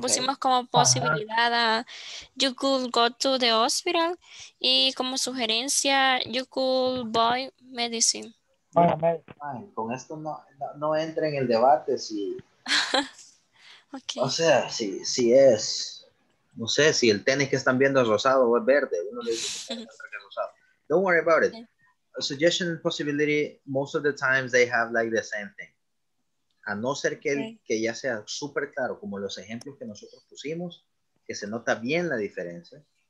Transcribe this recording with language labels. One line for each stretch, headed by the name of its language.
Spanish: Pusimos como posibilidad a
English: you could go to the hospital
Spanish: y como sugerencia
English: you could buy medicine.
Spanish: Con esto no entra en el debate si...
English: Okay.
Spanish: O sea, si es... No sé, si el tenis que están viendo es rosado o es verde. Uno le dice que es rosado.
English: Don't worry about it. A suggestion and possibility, most of the times they have like the same thing.
Spanish: A no ser que, que ya sea súper claro, como los ejemplos que nosotros pusimos, que se nota bien la diferencia.